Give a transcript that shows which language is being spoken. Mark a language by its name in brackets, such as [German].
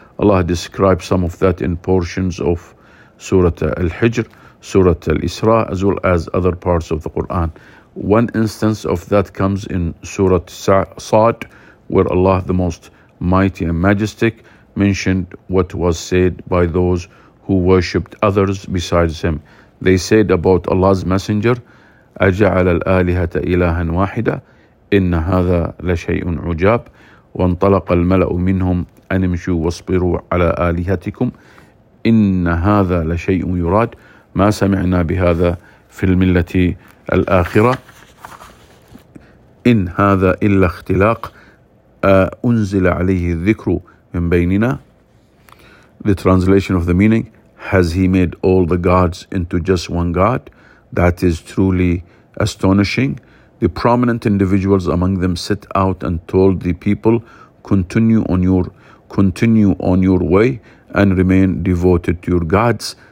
[English] Allah described some of that in portions of Surah Al-Hijr, Surah Al-Isra, as well as other parts of the Quran. One instance of that comes in Surah Sa'd, where Allah, the Most Mighty and Majestic, mentioned what was said by those who worshipped others besides Him. They said about Allah's Messenger, [Arabic] أَجَعَلَ الْآلِهَةَ إِلَهًا وَاحِدًا إِنَّ هَذَا لَشَيْءٌ عُجَابٌ وَانْطَلَقَ الْمَلَأُ مِنْهُمْ أَنِمْشُوا وَاصْبِرُوا عَلَىٰ آلِهَتِكُمْ إِنَّ هَذَا لَشَيْءٌ يُرَادٌ مَا سَمِعْنَا بِهَذَا فِي الْمِلَّةِ الآخرة إن هذا إلا اختلاق أنزل عليه الذكر من بيننا. [English] The translation of the meaning, has he made all the gods into just one god? That is truly astonishing. The prominent individuals among them set out and told the people, continue on your way and remain devoted to your gods.